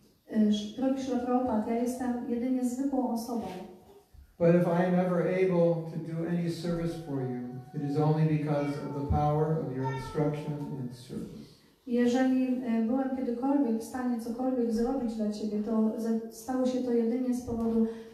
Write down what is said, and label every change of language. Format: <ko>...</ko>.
<pl>Śrila Prabhupada, ja jestem jedynie zwykłą osobą.</pl> <en>But if I am ever able to do any service for you, it is only because of the power of your instruction and service.</en> <pl>Jeżeli byłem kiedykolwiek w stanie cokolwiek zrobić dla Ciebie, to stało się to jedynie z powodu</pl>